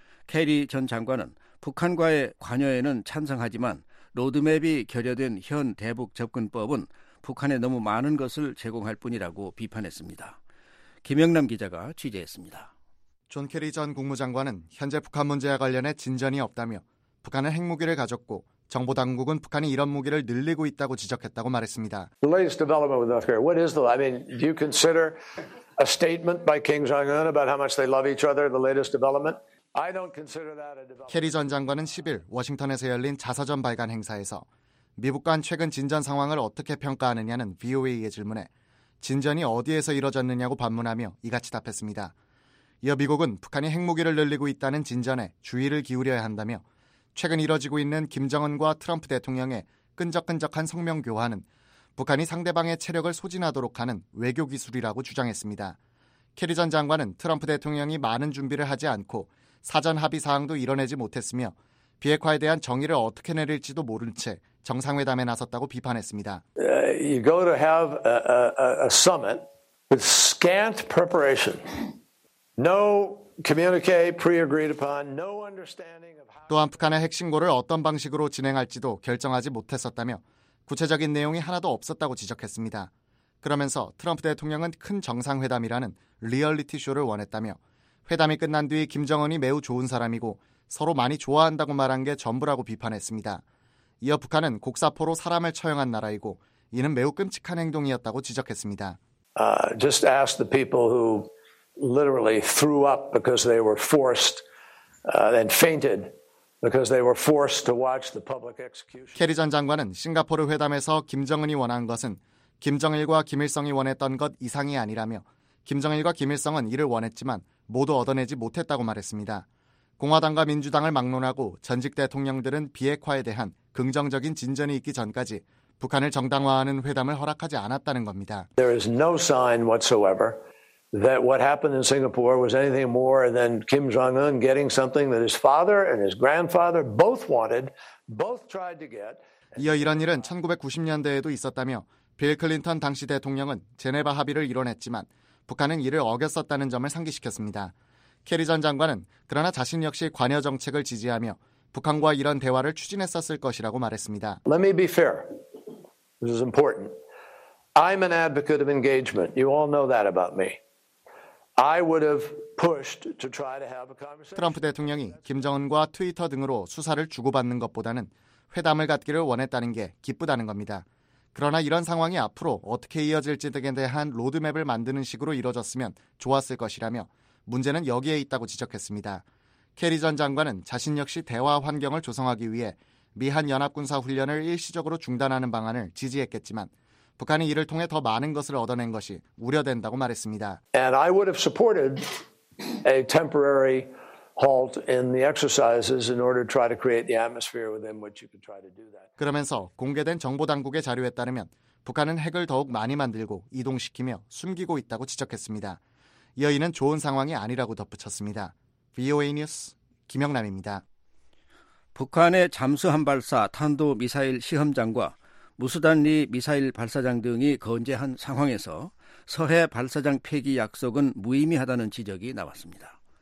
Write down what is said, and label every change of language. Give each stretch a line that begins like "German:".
Korean: 케리 전 장관은 북한과의 관여에는 찬성하지만 로드맵이 결여된 현 대북 접근법은 북한에 너무 많은 것을 제공할 뿐이라고 비판했습니다. 김영남 기자가 취재했습니다. 존 케리 전 국무장관은 현재 북한 문제와 관련해 진전이 없다며 북한은 핵무기를 가졌고 정보 당국은 북한이 이런 무기를 늘리고 있다고 지적했다고 말했습니다.
English: The latest development with North Korea. What is the? I mean, do you consider a statement by Kim Jong Un about how much they love each other the latest development? I don't consider that a development.
Korean: 케리 전 장관은 10일 워싱턴에서 열린 자서전 발간 행사에서 미북 간 최근 진전 상황을 어떻게 평가하느냐는 VOA의 질문에 진전이 어디에서 이뤄졌느냐고 반문하며 이같이 답했습니다. 이어 미국은 북한이 핵무기를 늘리고 있다는 진전에 주의를 기울여야 한다며. 최근 이뤄지고 있는 김정은과 트럼프 대통령의 끈적끈적한 성명 교환은 북한이 상대방의 체력을 소진하도록 하는 외교 기술이라고 주장했습니다. 케리 전 장관은 트럼프 대통령이 많은 준비를 하지 않고 사전 합의 사항도 이뤄내지 못했으며 비핵화에 대한 정의를 어떻게 내릴지도 모른 채 정상회담에 나섰다고 비판했습니다.
English: You go to have a summit with scant preparation. No communique pre-agreed upon, no understanding of how.
Korean: 또한 북한의 핵심고를 어떤 방식으로 진행할지도 결정하지 못했었다며 구체적인 내용이 하나도 없었다고 지적했습니다. 그러면서 트럼프 대통령은 큰 정상회담이라는 리얼리티 쇼를 원했다며 회담이 끝난 뒤 김정은이 매우 좋은 사람이고 서로 많이 좋아한다고 말한 게 전부라고 비판했습니다. 이어 북한은 곡사포로 사람을 처형한 나라이고 이는 매우 끔찍한 행동이었다고 지적했습니다.
English: Just ask the people who literally threw up because they were forced and fainted. Because they were forced to watch the public execution.
Korean: 캐리 전 장관은 싱가포르 회담에서 김정은이 원한 것은 김정일과 김일성이 원했던 것 이상이 아니라며 김정일과 김일성은 이를 원했지만 모두 얻어내지 못했다고 말했습니다. 공화당과 민주당을 막론하고 전직 대통령들은 비핵화에 대한 긍정적인 진전이 있기 전까지 북한을 정당화하는 회담을 허락하지 않았다는 겁니다.
English: There is no sign whatsoever. That what happened in Singapore was anything more than Kim Jong-un getting something that his father and his grandfather both wanted, both tried to get.
Korean: 이어 이런 일은 1990년대에도 있었다며 빌 클린턴 당시 대통령은 제네바 합의를 이뤄냈지만 북한은 이를 어겼었다는 점을 상기시켰습니다. 캐리 전 장관은 그러나 자신 역시 관여 정책을 지지하며 북한과 이런 대화를 추진했었을 것이라고 말했습니다.
English: Let me be fair. This is important. I'm an advocate of engagement. You all know that about me. I would have pushed to try to have a conversation.
Korean: 트럼프 대통령이 김정은과 트위터 등으로 수사를 주고받는 것보다는 회담을 갖기를 원했다는 게 기쁘다는 겁니다. 그러나 이런 상황이 앞으로 어떻게 이어질지 등에 대한 로드맵을 만드는 식으로 이뤄졌으면 좋았을 것이라며 문제는 여기에 있다고 지적했습니다. 캐리 전 장관은 자신 역시 대화 환경을 조성하기 위해 미한 연합군사 훈련을 일시적으로 중단하는 방안을 지지했겠지만 북한이 이를 통해 더 많은 것을 얻어낸 것이 우려된다고 말했습니다.
English: And I would have supported a temporary halt in the exercises in order to try to create the atmosphere within which you could try to do that.
Korean: 그러면서 공개된 정보 당국의 자료에 따르면 북한은 핵을 더욱 많이 만들고 이동시키며 숨기고 있다고 지적했습니다. 여의는 좋은 상황이 아니라고 덧붙였습니다. VOA 뉴스 김영남입니다. 북한의 잠수함 발사 탄도 미사일 시험장과 무수단리 미사일 발사장 등이 건재한 상황에서 서해 발사장 폐기 약속은 무의미하다는 지적이 나왔습니다.